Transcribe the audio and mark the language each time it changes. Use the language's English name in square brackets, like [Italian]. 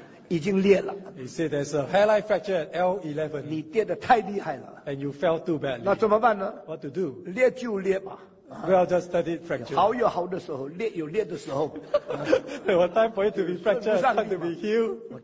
[English] He said there's a hairline fracture at L11. And you fell too badly. [Chinese] 那怎么办呢? [English] What to do? [Chinese] 裂就裂吧。 [English] Well, just studied fracture. [Chinese] 好有好的时候, 裂有裂的时候, [English] there was time for it to be fractured, time to be healed.